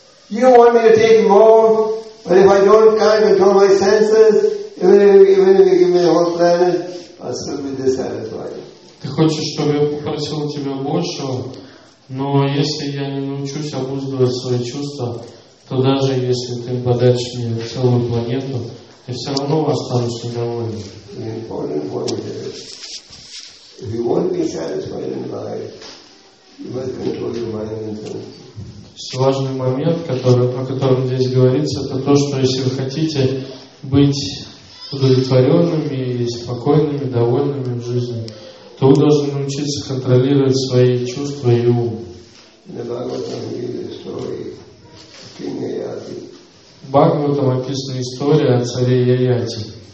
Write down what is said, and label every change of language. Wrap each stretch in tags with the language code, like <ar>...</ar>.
<en>You want me to take more, but if I don't kind of control my senses, even if you give me a whole planet, I'll still be dissatisfied.</en> <ru>Ты хочешь, чтобы я попросил у тебя большего, но если я не научусь обуздывать свои чувства, то даже если ты подаришь мне целую планету, я все равно останусь недоволен.</ru> <en>The important point is, if you want to be satisfied in life, you must control your mind and senses.</en> <ru>Важный момент, о котором здесь говорится, это то, что если вы хотите быть удовлетворенными и спокойными, довольными в жизни, то вы должны научиться контролировать свои чувства и ум. В Бхагаватам описана история о царе Яяти.</ru>